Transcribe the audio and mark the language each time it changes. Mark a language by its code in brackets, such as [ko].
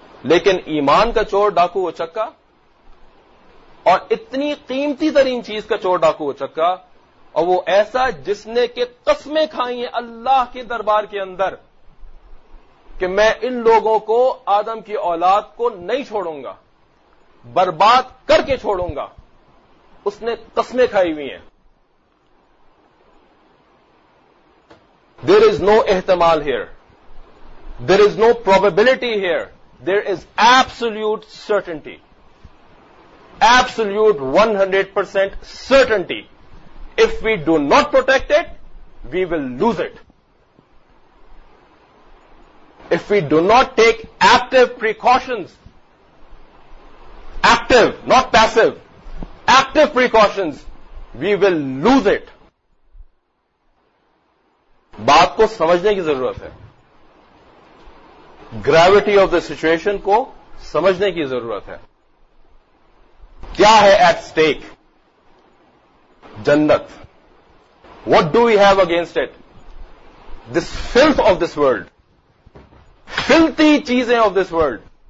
[ur] لیکن ایمان کا چور ڈاکو اچکا اور اتنی قیمتی ترین چیز کا چور ڈاکو اچکا, اور وہ ایسا جس نے کہ قسمیں کھائی ہیں اللہ کے دربار کے اندر کہ میں ان لوگوں کو آدم کی اولاد کو نہیں چھوڑوں گا, برباد کر کے چھوڑوں گا. اس نے قسمیں کھائی ہوئی ہیں. [en] There is no احتمال here, there is no probability here, there is absolute certainty, absolute 100% certainty. If we do not protect it, we will lose it. If we do not take active precautions, active, not passive, active precautions, we will lose it. [ur] بات کو سمجھنے کی ضرورت ہے, [en] gravity of the situation [ur] کو سمجھنے کی ضرورت ہے. کیا ہے ایٹ اسٹیک؟ جنت. [en] What do we have against it? This filth of this world, filthy چیزیں of this world.